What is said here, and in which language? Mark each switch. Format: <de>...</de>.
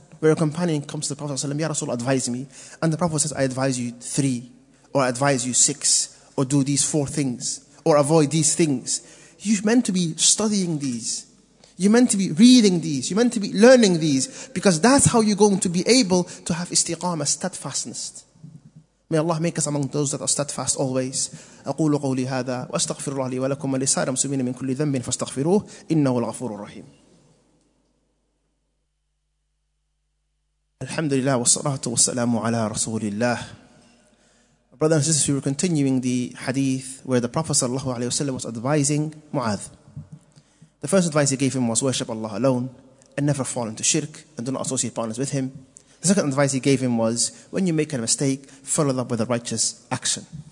<en>Where a companion comes to the Prophet ﷺ, Ya Rasul, advise me. And the Prophet says, I advise you 3, or I advise you 6, or do these 4 things, or avoid these things. You're meant to be studying these. You're meant to be reading these. You're meant to be learning these. Because that's how you're going to be able to have istiqama, steadfastness. May Allah make us among those that are steadfast always.</en> <ar>أقول قولي هذا وأستغفر الله لي ولكم ولسائر المسلمين من كل ذنب فاستغفروه إنه الغفور الرحيم. الحمد لله والصلاة والسلام على رسول الله.</ar> <en>Brothers and sisters, we were continuing the hadith where the Prophet sallallahu alaihi wasallam was advising Muadh. The first advice he gave him was worship Allah alone and never fall into shirk and do not associate partners with him. The second advice he gave him was, when you make a mistake, follow it up with a righteous action.</en>